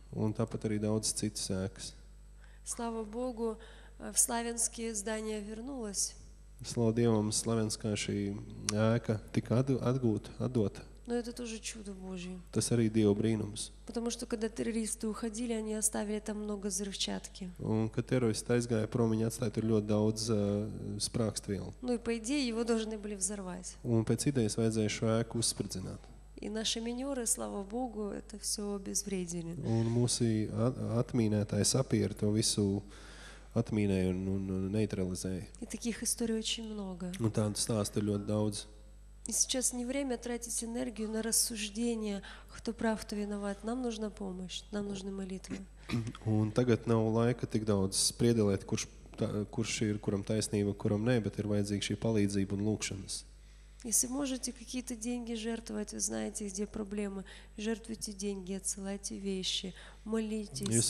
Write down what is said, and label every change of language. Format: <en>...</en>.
<lv>Un tāpat arī daudz citas ēkas.</lv> <ru>Слава Богу, в Славянске здание вернулось.</ru> <lv>Слава Dievам, Славянска ši ēka tika atdota.</lv> <ru>Но это тоже чудо Божие.</ru> <lv>Tas arī Dieva brīnums.</lv> <ru>Потому что когда террористы уходили, они оставили там много взрывчатки.</ru> <lv>Un kad teroristi aizgāja prom, viņi atstāja tur ļoti daudz sprākstvielu.</lv> <ru>Ну и по идее его должны были взорвать.</ru> <lv>Un pēc idejas vajadzēja šo ēku uzspridzināt.</lv> <ru>И наши минёры, слава Богу, это всё обезвредили.</ru> <lv>Un mūsu atmīnētāji sapiera to visu atmīnēja un neutralizēja.</lv> <ru>И таких историй очень много.</ru> <lv>Un tādu stāstu ir ļoti daudz.</lv> <ru>И сейчас не время тратить энергию на рассуждение, кто прав, кто виноват. Нам нужна помощь, нам нужны молитвы.</ru> <lv>Un tagad nav laika tik daudz spriedelēt, kurš ir, kuram taisnība, kuram ne, bet ir vajadzīga šī palīdzība un lūkšanas.</lv> <ru>Если можете какие-то деньги жертвовать, вы знаете, где проблемы, жертвуйте деньги, отсылайте вещи, молитесь.</ru>